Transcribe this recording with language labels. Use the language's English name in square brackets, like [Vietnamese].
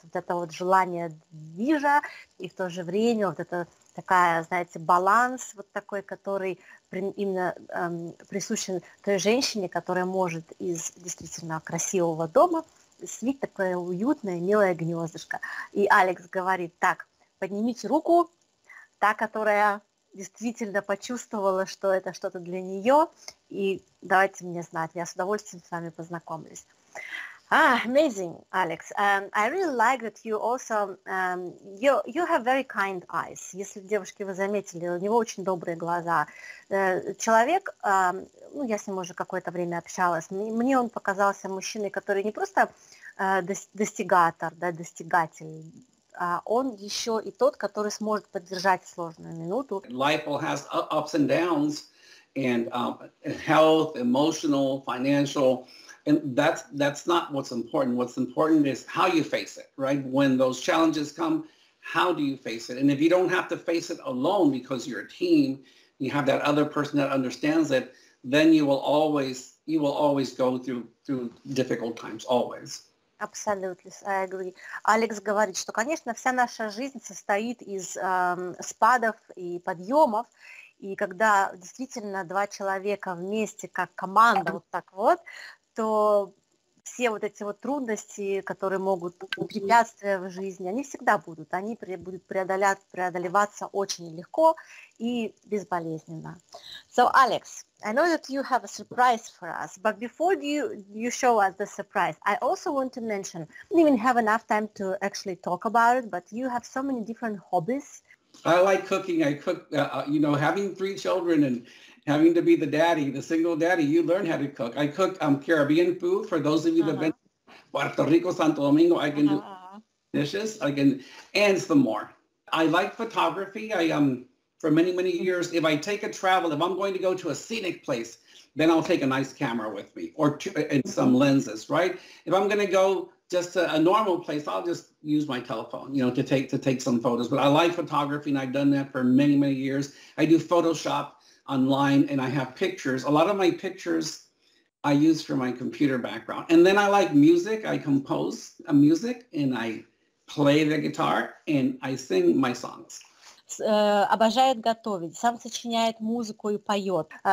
[Russian] Вот это вот желание движа и в то же время вот это такая, знаете, баланс вот такой, который присущен той женщине, которая может из действительно красивого дома свить такое уютное, милое гнездышко. И Алекс говорит: так, поднимите руку, та, которая действительно почувствовала, что это что-то для нее, и давайте мне знать, я с удовольствием с вами познакомлюсь. [English] Amazing, Alex. I really like that you also you have very kind eyes. [Russian] Если девушки вы заметили, у него очень добрые глаза. Человек, ну я с ним уже какое-то время общалась. Мне он показался мужчиной, который не просто достигатор, да, достигатель, а он еще и тот, который сможет поддержать сложную минуту. [English] Life has ups and downs, and health, emotional, financial. And that's not what's important. What's important is how you face it, right? When those challenges come, how do you face it? And if you don't have to face it alone because you're a team, you have that other person that understands it, then you will always go through difficult times, always. Absolutely, I agree. [Russian] Alex говорит, что, конечно, вся наша жизнь состоит из спадов и подъемов. И когда действительно два человека вместе, как команда, вот так вот, то все вот эти вот трудности, которые могут препятствия в жизни, они всегда будут, они будут преодолеваться очень легко и безболезненно. [English] So, Alex, I know that you have a surprise for us, but before you show us the surprise, I also want to mention, I don't even have enough time to actually talk about it, but you have so many different hobbies. I like cooking. I cook, you know, having 3 children and having to be the daddy, the single daddy, you learn how to cook. I cook Caribbean food for those of you that have been to Puerto Rico, Santo Domingo. I can do dishes. I can, and some more. I like photography. I am for many, many years. If I take a travel, if I'm going to go to a scenic place, then I'll take a nice camera with me or some lenses, right? If I'm going to go just to a normal place, I'll just use my telephone, you know, to take some photos. But I like photography, and I've done that for many, many years. I do Photoshop online, and I have pictures. A lot of my pictures I use for my computer background. And then I like music. I compose music, and I play the guitar, and I sing my songs. [Russian] Обожает готовить, сам сочиняет музыку и поет.